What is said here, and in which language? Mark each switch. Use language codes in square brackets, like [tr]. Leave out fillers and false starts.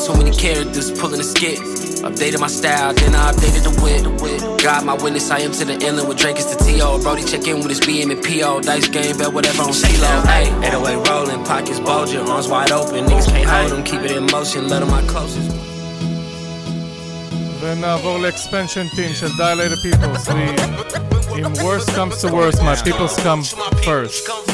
[en] Too many characters pulling a skit. Updated my style, then I updated the wit. God, my witness, I am to the endless with Drake is the T.O. Brody check in with his BM and P.O. Dice game, bet whatever on C-Lo. Hey, 808 rolling, pockets bulging, arms wide open. Niggas can't hold them, keep it in motion. Let them my closest. [he] ונעבור לאקספנשן טים של דיילייטד פיפלס. [en] אם worst comes to worst, my peoples come first.